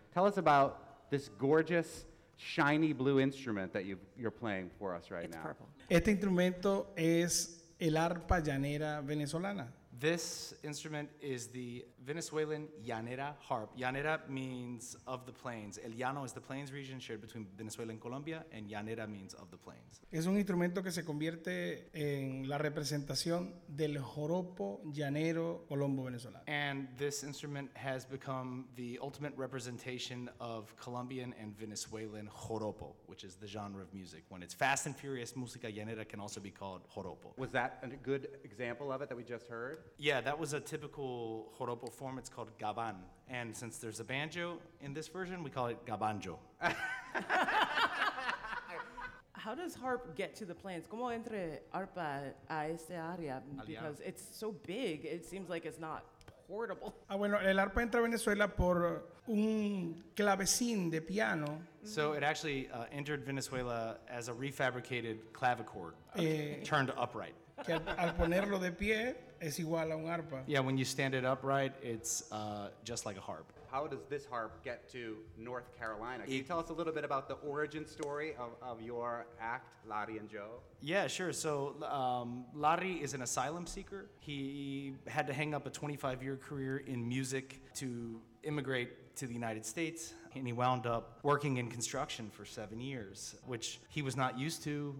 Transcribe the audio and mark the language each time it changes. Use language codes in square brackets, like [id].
[en] Tell us about this gorgeous, shiny blue instrument that you're playing for us right now. It's purple. [es] Este instrumento es el arpa llanera venezolana. [en] This instrument is the Venezuelan llanera harp. Llanera means of the plains. El llano is the plains region shared between Venezuela and Colombia, and llanera means of the plains. [es] Es un instrumento que se convierte en la representación del joropo llanero colombo-venezolano. [en] And this instrument has become the ultimate representation of Colombian and Venezuelan joropo, which is the genre of music. When it's fast and furious, música llanera can also be called joropo. Was that a good example of it that we just heard? Yeah, that was a typical joropo form. It's called gabán. And since there's a banjo in this version, we call it gabanjo. How does harp get to the plains? [es] ¿Cómo entra arpa a esta área? [en] Because it's so big, it seems like it's not portable. [es] Ah, bueno, el arpa entra a Venezuela por un clavecín de piano. [en] So it actually entered Venezuela as a refabricated clavichord, turned upright. [es] Que al ponerlo de pie es igual a un arpa. [en] Yeah, when you stand it upright, it's just like a harp. How does this harp get to North Carolina? Can you tell us a little bit about the origin story of your act, Larry and Joe? Yeah, sure. So Larry is an asylum seeker. He had to hang up a 25-year career in music to immigrate to the United States, and he wound up working in construction for 7 years, which he was not used to.